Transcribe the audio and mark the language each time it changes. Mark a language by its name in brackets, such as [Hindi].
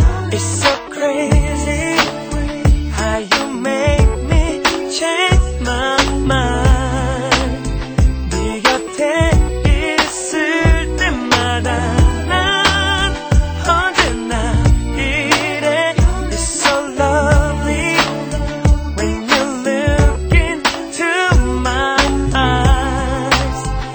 [English] It's so crazy how you make me change my mind. [Korean] 네 곁에 있을 때마다 난 언제나 이래. [English] It's so lovely when you look into my eyes.